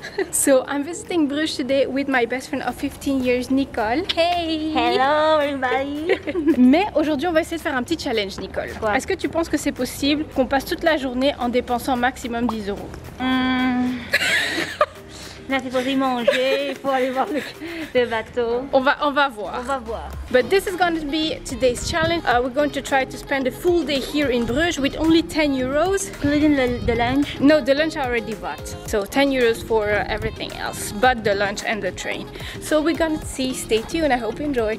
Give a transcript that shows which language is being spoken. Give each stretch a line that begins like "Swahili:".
English: So I'm visiting Bruges today with my best friend of 15 years, Nicole. Hey! Hello everybody!
French: Mais aujourd'hui, on va essayer de faire un petit challenge, Nicole. Quoi? Est-ce que tu penses que c'est possible qu'on passe toute la journée en dépensant maximum 10 euros? Là, c'est pour y manger, il faut aller voir le bateau. On va voir.
English: But this is going to be today's challenge. We're going to try to spend a full day here in Bruges with only 10 euros. Including the lunch? No, the lunch I already bought. So 10 euros for everything else, but the lunch and the train. So we're going to see. Stay tuned. I hope you enjoy.